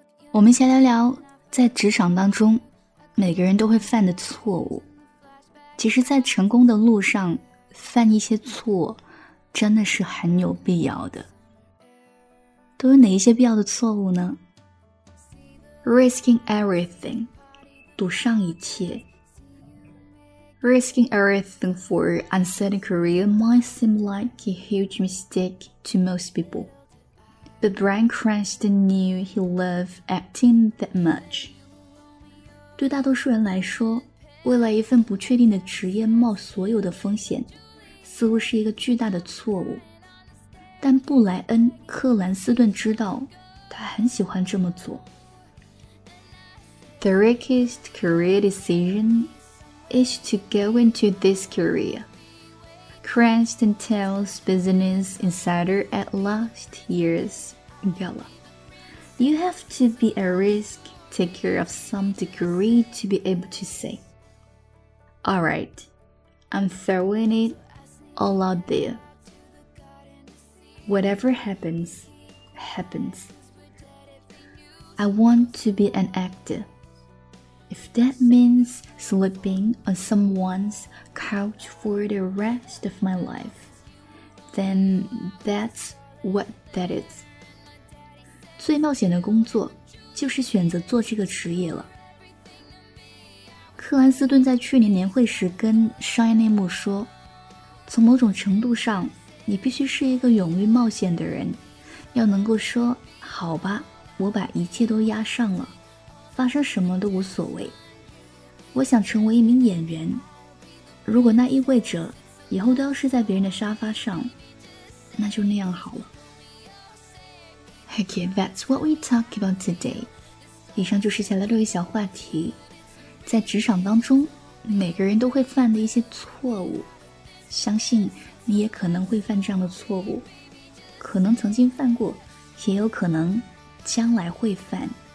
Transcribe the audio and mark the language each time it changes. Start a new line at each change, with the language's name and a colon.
Chinese: 我们先聊聊在职场当中每个人都会犯的错误。其实，在成功的路上犯一些错，真的是很有必要的。都有哪一些必要的错误呢 ？
English: Risking everything.
Chinese: 赌上一切
English: Risking everything for an uncertain career might seem like a huge mistake to most people. But Brian Cranston knew he loved acting that much.
Chinese: 对大多数人来说，为了一份不确定的职业冒所有的风险，似乎是一个巨大的错误。但布莱恩·克兰斯顿知道，他很喜欢这么做。
English: The riskiest career decision is to go into this career. Cranston tells Business Insider at last year's gala. You have to be a risk taker of some degree to be able to say, All right, I'm throwing it all out there. Whatever happens, happens. I want to be an actor. If that means sleeping on someone's couch for the rest of my life, then that's what that is.
Chinese: 最冒险的工作就是选择做这个职业了。克兰斯顿在去年年会时跟商业内幕说，从某种程度上，你必须是一个勇于冒险的人，要能够说，好吧，我把一切都押上了。发生什么都无所谓。我想成为一名演员，如果那意味着以后都要睡在别人的沙发上，那就那样好了。
English: Okay, that's what we talk about today.
Chinese: 以上就是下来六个小话题，在职场当中每个人都会犯的一些错误，相信你也可能会犯这样的错误，可能曾经犯过，也有可能将来会犯。